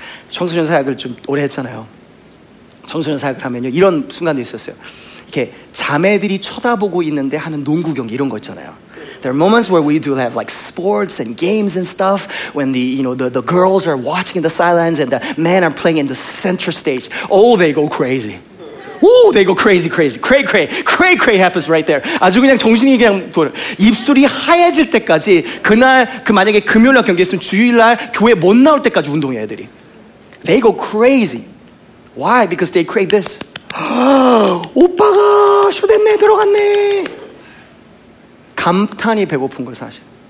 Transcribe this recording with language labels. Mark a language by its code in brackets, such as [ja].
[ko] 청소년 사역을 좀 오래 했잖아요. 청소년 사역을 하면요. 이런 순간도 있었어요. 이렇게 자매들이 쳐다보고 있는데 하는 농구 경기 이런 거 있잖아요. [en] There are moments where we do have like sports and games and stuff when the, you know, the girls are watching in the sidelines and the men are playing in the center stage. Oh, they go crazy. Oh, they go crazy. Cray happens right there. [ko] 아주 그냥 정신이 그냥 돌아. 입술이 하얘질 때까지 그날 그 만약에 금요일날 경기 했으면 주일날 교회 못 나올 때까지 운동해 애들이. [en] They go crazy. Why? Because they crave this. [ko] 오빠가 슈댄네 들어갔네. 감탄이 배고픈 거 사실.